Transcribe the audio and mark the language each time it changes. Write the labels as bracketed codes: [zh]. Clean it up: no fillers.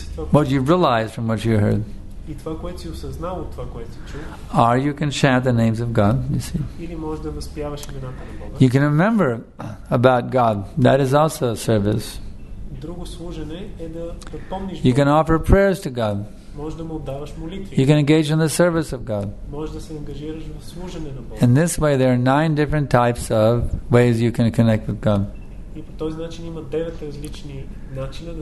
[en] What you realized from what you heard. [bg] И това, което си осъзнал от това, което си чул. [en] Or you can chant the names of God, you see. [bg] Или може да възпяваш имената на Бога. [en] You can remember about God. That is also a service. [bg] Друго служене е да помниш. [en] You can offer prayers to God. [bg] Може да му отдаваш молитви. [en] You can engage in the service of God. [bg] Може да се ангажираш в служене на Бога. [en] In this way there are 9 different types of ways you can connect with God. [bg] И по този начин има 9 различни начина да